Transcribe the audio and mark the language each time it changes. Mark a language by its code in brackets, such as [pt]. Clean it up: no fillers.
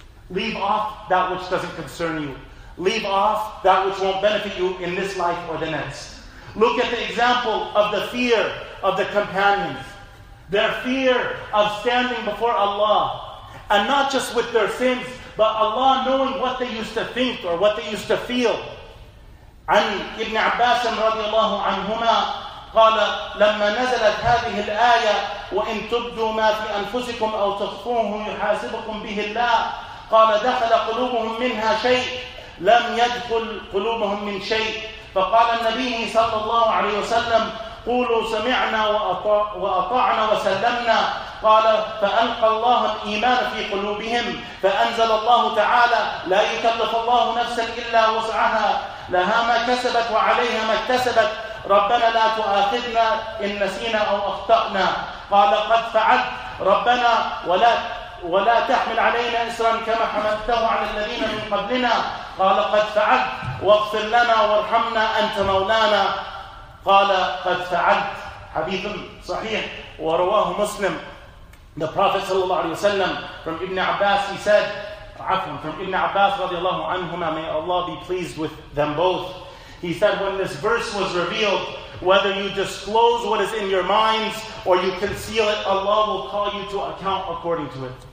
[en] Leave off that which doesn't concern you. Leave off that which won't benefit you in this life or the next. Look at the example of the fear of the companions. Their fear of standing before Allah, and not just with their sins, but Allah knowing what they used to think or what they used to feel. [ar] عن ابن عباس رضي الله عنهما قال لما نزلت هذه الآية وإن تبدوا ما في أنفسكم أو تخفوه يحاسبكم به الله قال دخل قلوبهم منها شيء لم يدخل قلوبهم من شيء فقال النبي صلى الله عليه وسلم قولوا سمعنا وأطعنا وسلمنا قال فألقى الله الإيمان في قلوبهم فأنزل الله تعالى لا يكلف الله نفسا إلا وسعها لها ما كسبت وعليها ما اكتسبت ربنا لا تؤاخذنا إن نسينا أو أخطأنا قال قد فعلت ربنا ولا تحمل علينا إصرا كما حملته على الذين من قبلنا قال قد فعلت واغفر لنا وارحمنا أنت مولانا قال قد فعلت. حديث صحيح ورواه مسلم. [en] The Prophet [ar] صلى الله عليه وسلم [en] from Ibn Abbas, he said, from Ibn Abbas [ar] رضي الله عنهما, [en] may Allah be pleased with them both, he said, when this verse was revealed, whether you disclose what is in your minds or you conceal it, Allah will call you to account according to it.